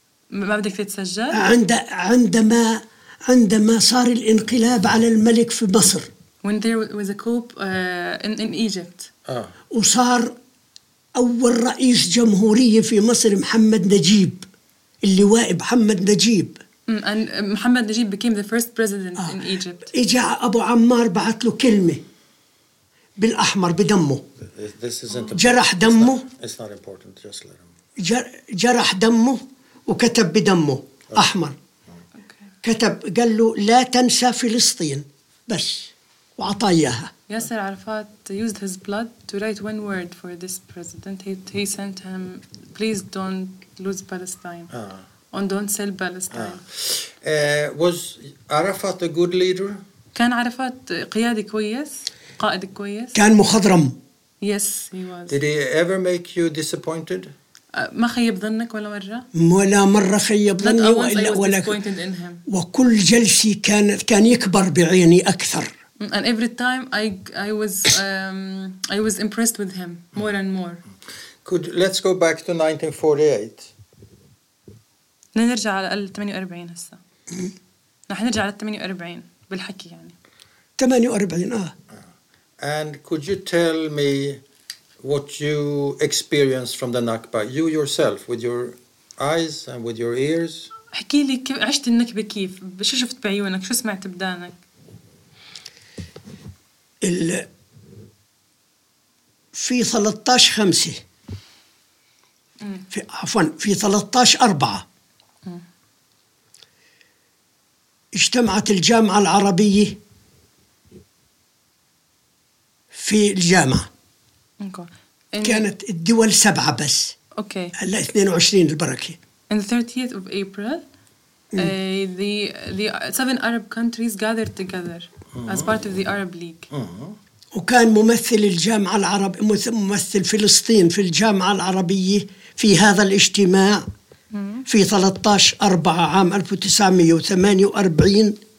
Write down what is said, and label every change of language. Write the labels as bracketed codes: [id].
[ar] ما بدك تتسجل؟ عندما صار الانقلاب على الملك في مصر. [en] When there was a coup in Egypt. [ar] وصار أول رئيس جمهورية في مصر محمد نجيب. اللواء محمد نجيب. [en] And محمد نجيب became the first president in Egypt. [ar] إجا أبو عمار بعث له كلمة بالأحمر بدمه. [en] This isn't [ar] جرح دمه. [en] It's not important. Just let him. [ar] جرح دمه وكتب بدمه أحمر. كتب قال له لا تنسى فلسطين بس وعطاياها. [en] ياسر عرفات used his blood to write one word for this president. He sent him please don't lose Palestine. And don't sell Palestine. Was Arafat a good leader? [ar] كان عرفات قيادي كويس قائد كويس. كان مخضرم. [en] Yes, he was. Did he ever make you disappointed? [ar] ما خيب ظنك ولا مرة؟ ولا مرة خيب ظني [en] وإلا disappointed in him. [ar] وكل جلسي كان يكبر بعيني أكثر. [en] And every time I was impressed with him more and more. Let's go back to 1948. [ar] نرجع على 48 هسا. رح نرجع على 48 بالحكي يعني. 48 [en] And could you tell me what you experienced from the Nakba, you yourself, with your eyes and with your ears? [ar] حكي لي كيف عشت النكبة كيف؟ شو شفت بعيونك؟ شو سمعت بدانك؟ في 13/5 في 13/4 اجتمعت الجامعة العربية في الجامعة. كانت الدول سبعة بس. اوكي. هلا 22 البركة. [en] In the 30th of April, the seven Arab countries gathered together as part of the Arab League. [ar] وكان ممثل الجامعة العربية ممثل فلسطين في الجامعة العربية في هذا الاجتماع في 13/4 عام 1948.